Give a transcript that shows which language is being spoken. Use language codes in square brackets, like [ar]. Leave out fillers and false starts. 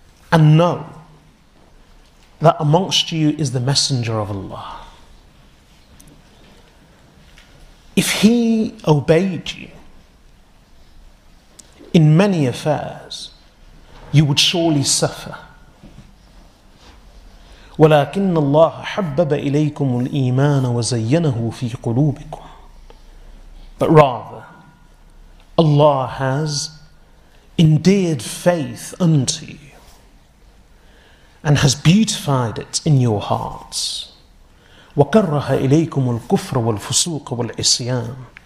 [en] And know that amongst you is the Messenger of Allah. If he obeyed you in many affairs, you would surely suffer. [ar] ولكن الله حبب إليكم الإيمان وزينه في قلوبكم. [en] But rather, Allah has endeared faith unto you and has beautified it in your hearts. [ar] وَكَرَّهَ إِلَيْكُمُ الْكُفْرَ وَالْفُسُوقَ وَالْعِصْيَانَ.